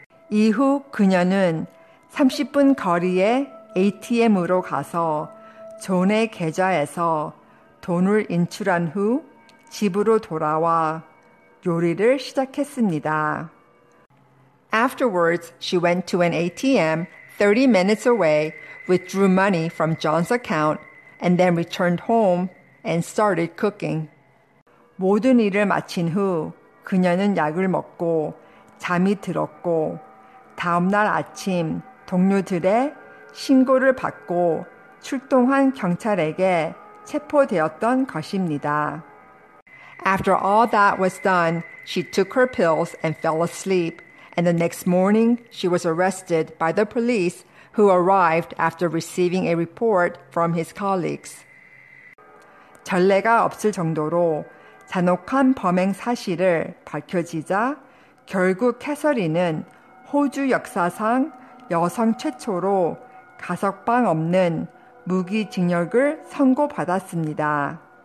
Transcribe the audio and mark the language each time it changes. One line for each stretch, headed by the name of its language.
Korean: 이후 그녀는 30분 거리의 ATM으로 가서 존의 계좌에서 돈을 인출한 후 집으로 돌아와 요리를 시작했습니다.
English: Afterwards, she went to an ATM 30 minutes away, withdrew money from John's account, and then returned home and started cooking.
Korean: 모든 일을 마친 후 그녀는 약을 먹고 잠이 들었고 다음 날 아침 동료들의 신고를 받고 출동한 경찰에게 체포되었던 것입니다.
English: After all that was done, she took her pills and fell asleep. And the next morning, she was arrested by the police who arrived after receiving a report from his colleagues.
Korean: 전례가 없을 정도로 잔혹한 범행 사실을 밝혀지자 결국 캐서린은 호주 역사상 여성 최초로 가석방 없는 무기 징역을 선고받았습니다.